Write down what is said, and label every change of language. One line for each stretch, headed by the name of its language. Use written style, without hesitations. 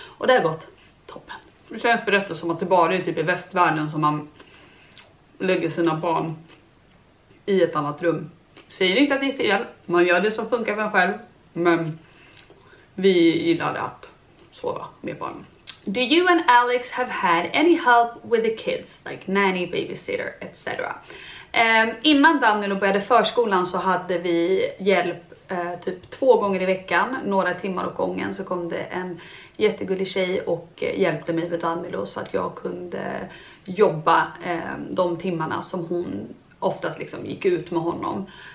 Swedish: Och det har gått toppen. Det känns förresten som att det bara är typ i västvärlden som man lägger sina barn i ett annat rum. Säger inte att det är fel. Man gör det som funkar för en själv. Men vi gillar att sova med barnen.
English: Do you and Alex have had any help with the kids? Like nanny, babysitter, etc.
Swedish: Innan Daniel började förskolan så hade vi hjälp typ 2 gånger i veckan. Några timmar åt gången så kom det en jättegullig tjej och hjälpte mig med Danilo så att jag kunde jobba de timmarna som hon oftast liksom gick ut med honom.